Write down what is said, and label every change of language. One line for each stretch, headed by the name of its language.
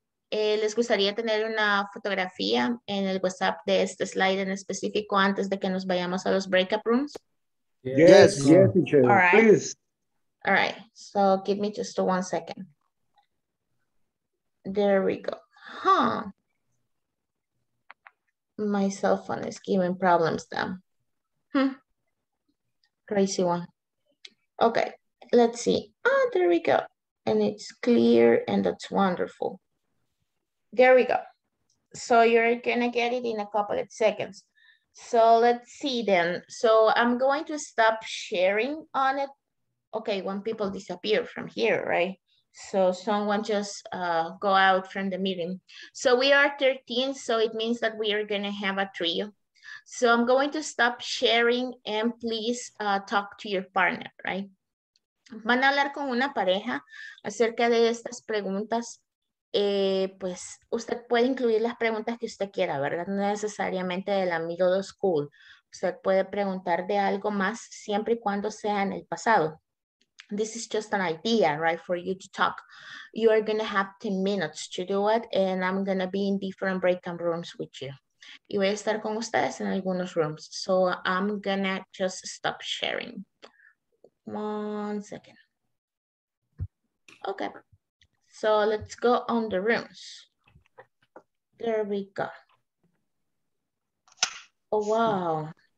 Spanish: ¿Les gustaría tener una fotografía en el WhatsApp de este slide en específico antes de que nos vayamos a los breakout rooms?
English: Yes, teacher, all right. Please. All right, so give me just 1 second. There we go. Huh. My cell phone is giving problems now. Crazy one. Okay, let's see. Ah, there we go. And it's clear and that's wonderful. There we go. So you're gonna get it in a couple of seconds. So let's see then. So I'm going to stop sharing on it. Okay, when people disappear from here, right? So someone just go out from the meeting. So we are 13, so it means that we are gonna have a trio. So I'm going to stop sharing and please talk to your partner, right?
Spanish: Van a hablar con una pareja acerca de estas preguntas. Pues usted puede incluir las preguntas que usted quiera, ¿verdad? No necesariamente del amigo de school. Usted puede preguntar de algo más siempre y cuando sea en el pasado.
English: This is just an idea, right, for you to talk. You are going to have 10 minutes to do it, and I'm going to be in different breakout rooms with you.
Spanish: Y voy a estar con ustedes en algunos rooms.
English: So I'm going to just stop sharing. One second. Okay. So let's go on the rooms. There we go. Oh, wow.